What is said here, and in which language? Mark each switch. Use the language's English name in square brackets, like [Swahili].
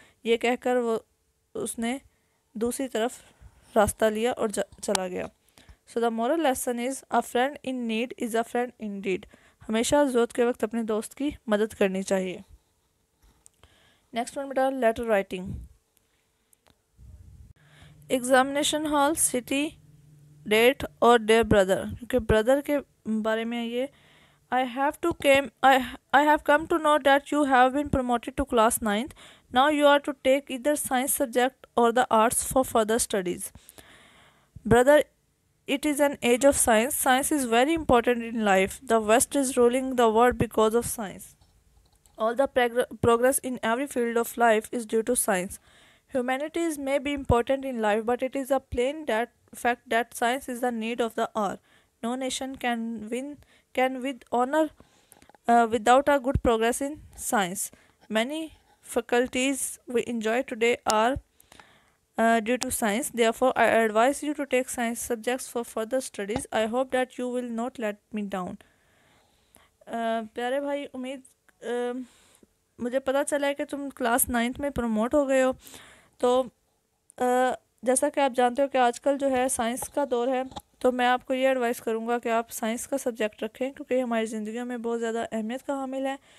[Urdu] یہ کہہ کر وہ اس نے دوسری طرف راستہ لیا اور چلا گیا. [English] So the moral lesson is, a friend in need is a friend indeed. [Urdu] ہمیشہ ضرورت کے وقت اپنے دوست کی مدد کرنی چاہیے. Next one beta, letter writing. [English] Examination hall, city, date اور dear brother. کیونکہ brother کے بارے میں یہ, I have come to know that you have been promoted to class 9th. Now you are to take either science subject or the arts for further studies. Brother, it is an age of science. Science is very important in life. The West is ruling the world because of science. All the progress in every field of life is due to science. Humanities may be important in life, but it is a plain fact that science is the need of the hour. No nation can with honor without a good progress in science. Many faculties we enjoy today are due to science. Therefore, I advise you to take science subjects for further studies. I hope that you will not let me down. [Urdu] پیارے بھائی, امید مجھے پتہ چلا ہے کہ تم class ninth میں پروموٹ ہو گئے ہو. تو جیسا کہ آپ جانتے ہو کہ آج کل جو ہے سائنس کا دور ہے, تو میں آپ کو یہ ایڈوائس کروں گا کہ آپ سائنس کا سبجیکٹ رکھیں, کیونکہ یہ ہماری زندگیوں میں بہت زیادہ اہمیت کا حامل ہے.